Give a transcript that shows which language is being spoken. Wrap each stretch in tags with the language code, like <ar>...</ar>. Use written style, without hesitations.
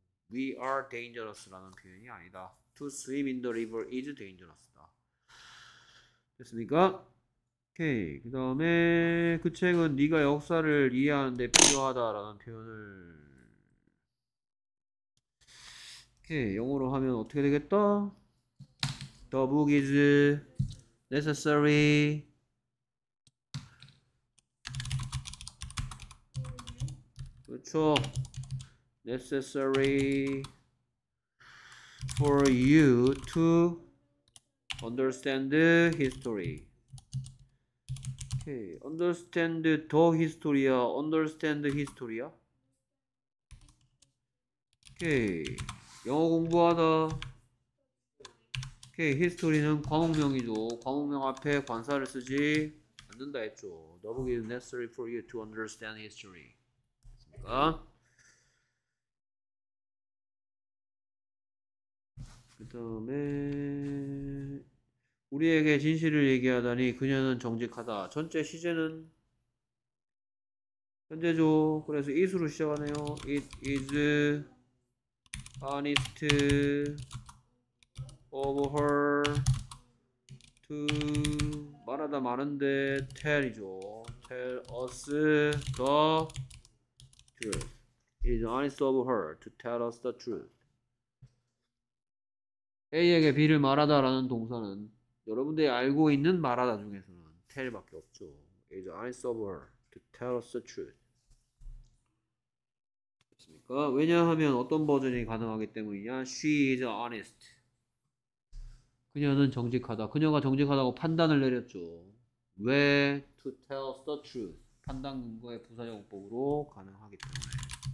<en>We are dangerous</en> <ko>라는 표현이 아니다.</ko> <en>To swim in the river is dangerous.</en> <ko>됐습니까? 오케이. 그 다음에 그 책은 네가 역사를 이해하는데 필요하다라는 표현을 오케이. 영어로 하면 어떻게 되겠다?</ko> <en>The book is necessary necessary for you to understand history. Okay. Understand the history. Understand history.</en> <ko>Okay. 영어 공부하다. Okay. History는 과목명이죠. 과목명 앞에 관사를 쓰지 않는다 했죠.</ko> <en>The book is necessary for you to understand history.</en> <ko>됐습니까? 그 다음에 우리에게 진실을 얘기하다니 그녀는 정직하다. 전체 시제는 현재죠. 그래서 it으로 시작하네요.</ko> <en>It is honest of her to</en> <ko>말하다 많은데</ko> <en>tell이죠. Tell us the truth. It is honest of her to tell us the truth.</en> <ko>A에게 B를 말하다 라는 동사는 여러분들이 알고 있는 말하다 중에서는 tell 밖에 없죠.</ko> <en>It is honest of her to tell us the truth.</en> <ko>됐습니까? 왜냐하면 어떤 버전이 가능하기 때문이냐?</ko> <en>She is honest.</en> <ko>그녀는 정직하다. 그녀가 정직하다고 판단을 내렸죠.</ko> <en>왜? To tell us the truth.</en> <ko>판단 근거의 부사용법으로 가능하기 때문에.</ko>